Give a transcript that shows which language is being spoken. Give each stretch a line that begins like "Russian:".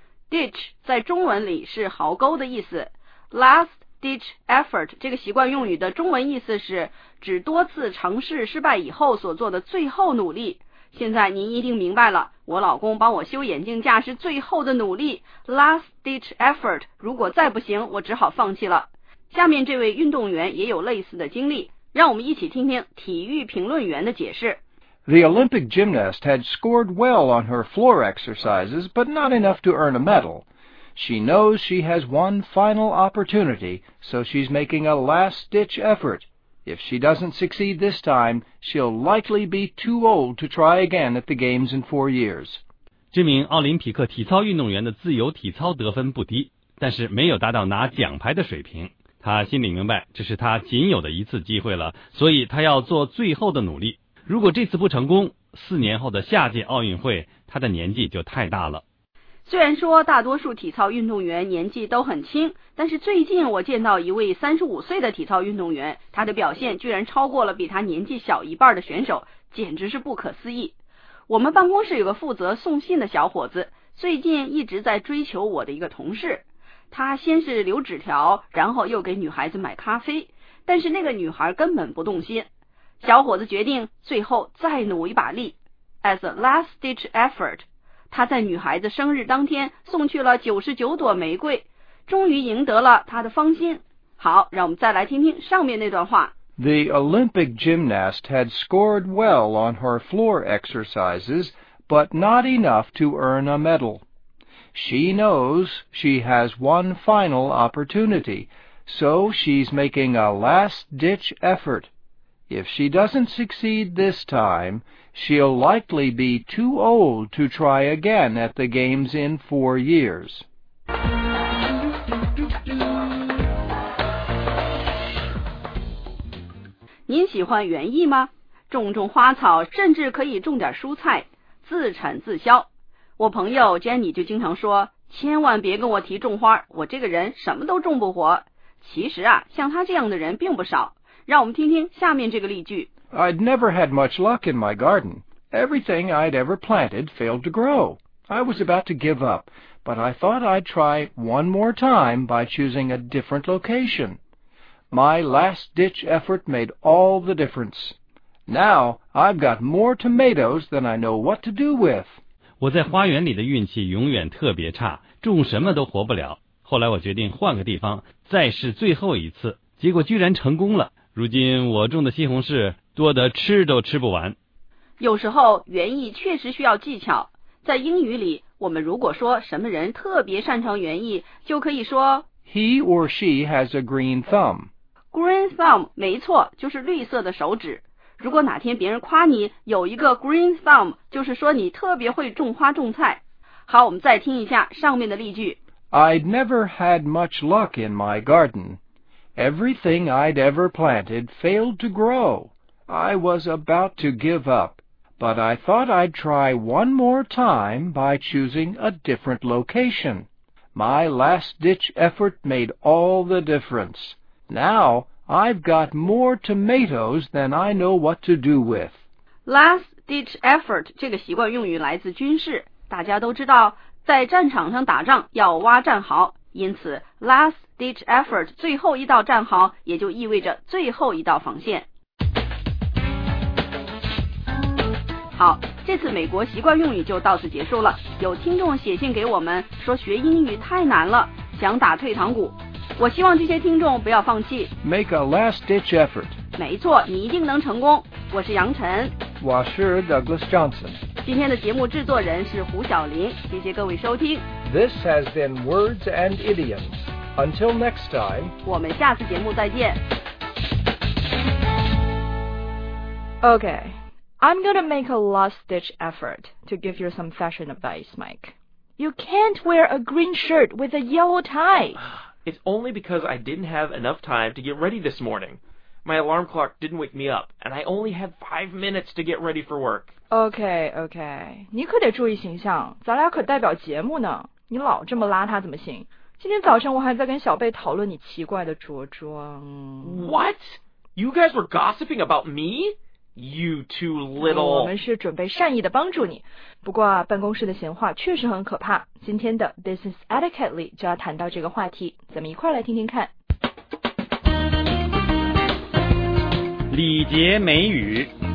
Chinese: Ditch 在中文里是壕沟的意思。Last ditch effort 这个习惯用语的中文意思是指多次尝试失败以后所做的最后努力。现在您一定明白了，我老公帮我修眼镜架是最后的努力 last ditch effort， 如果再不行我只好放弃了。下面这位运动员也有类似的经历，让我们一起听听体育评论员的解释。
English: The Olympic gymnast had scored well on her floor exercises but not enough to earn a medal. She knows she has one final opportunity, so she's making a last-ditch effort. If she doesn't succeed this time, she'll likely be too old to try again at the games in 4 years.
Chinese: 这名奥林匹克体操运动员的自由体操得分不低，但是没有达到拿奖牌的水平。他心里明白，这是他仅有的一次机会了，所以他要做最后的努力。如果这次不成功，四年后的夏季奥运会，他的年纪就太大了。虽然说大多数体操运动员年纪都很轻，但是最近我见到一位35岁的体操运动员，他的表现居然超过了比他年纪小一半的选手，简直是不可思议。我们办公室有个负责送信的小伙子，最近一直在追求我的一个同事。他先是留纸条，然后又给女孩子买咖啡，但是那个女孩根本不动心。小伙子决定最后再努一把力 ,
English: as a last ditch effort.
Chinese: 他在女孩子生日当天送去了99朵玫瑰，终于赢得了她的芳心。好，让我们再来听听上面那段话。
English: The Olympic gymnast had scored well on her floor exercises, but not enough to earn a medal. She knows she has one final opportunity, so she's making a last-ditch effort. If she doesn't succeed this time, she'll likely be too old to try again at the games in 4 years.
Chinese: 您喜欢园艺吗？种种花草，甚至可以种点蔬菜，自产自销。我朋友 Jenny 就经常说，千万别跟我提种花，我这个人什么都种不活。其实啊，像他这样的人并不少。让我们听听下面这个例句。
English: I'd never had much luck in my garden. Everything I'd ever planted failed to grow. I was about to give up, but I thought I'd try one more time by choosing a different location. My last-ditch effort made all the difference. Now I've got more tomatoes than I know what to do with.
Chinese: 我在花园里的运气永远特别差，种什么都活不了。后来我决定换个地方，再试最后一次，结果居然成功了。如今我种的西红柿多得吃都吃不完。有时候园艺确实需要技巧。在英语里，我们如果说什么人特别擅长园艺，就可以说
English: He or she has a green thumb.
Chinese: Green thumb, 没错，就是绿色的手指。如果哪天别人夸你有一个 green thumb, 就是说你特别会种花种菜。好，我们再听一下上面的例句。
English: I'd never had much luck in my garden. Everything I'd ever planted failed to grow. I was about to give up, but I thought I'd try one more time by choosing a different location. My last-ditch effort made all the difference. Now I've got more tomatoes than I know what to do with.
Chinese: Last-ditch effort 这个习惯用语来自军事，大家都知道，在战场上打仗要挖战壕，因此 last-ditch effort 最后一道战壕，也就意味着最后一道防线。好，这次美国习惯用语就到此结束了。有听众写信给我们说学英语太难了，想打退堂鼓。我希望这些听众不要放弃。
English: Make a last ditch effort.
Chinese: 没错，你一定能成功。我是杨晨。我是 Douglas Johnson. 今天的节目制作人是胡晓林。谢谢各位收听。
English: This has been Words and Idioms. Until next time,
Chinese: 我们下次节目再见。
English: Okay, I'm gonna make a last-ditch effort to give you some fashion advice, Mike. You can't wear a green shirt with a yellow tie. It's only because I didn't have enough time to get ready this morning. My alarm clock didn't wake me up, and I only had 5 minutes to get ready for work. Okay.
Chinese: 你可得注意形象，咱俩可代表节目呢。你老这么邋遢怎么行？今天早上我还在跟小贝讨论你奇怪的着装。
English: What? You guys were gossiping about me? You two little...、
Chinese: 我们是准备善意的帮助你。不过啊，办公室的闲话确实很可怕。今天的 Business Etiquette 里就要谈到这个话题，咱们一块来听听看。礼节美语。